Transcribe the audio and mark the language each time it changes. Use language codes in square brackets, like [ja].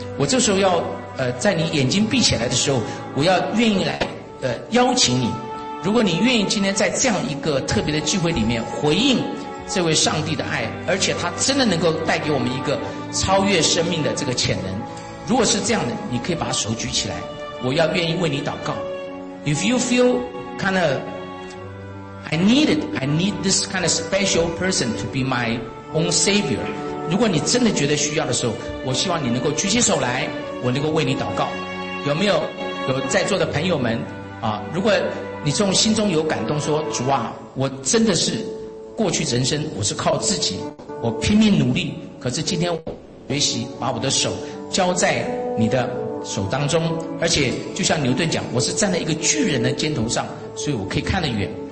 [zh] 我这时候要在你眼睛闭起来的时候，我要愿意来邀请你，如果你愿意今天在这样一个特别的聚会里面回应这位上帝的爱，而且他真的能够带给我们一个超越生命的这个潜能，如果是这样的，你可以把手举起来，我要愿意为你祷告。 [en] If you feel kind of I need this kind of special person to be my own savior， [zh] 如果你真的觉得需要的时候，我希望你能够举起手来，我能够为你祷告。有没有有在座的朋友们啊？如果你从心中有感动说，主啊，我真的是过去人生我是靠自己，我拼命努力，可是今天我学习把我的手交在你的手当中，而且就像牛顿讲，我是站在一个巨人的肩头上，所以我可以看得远。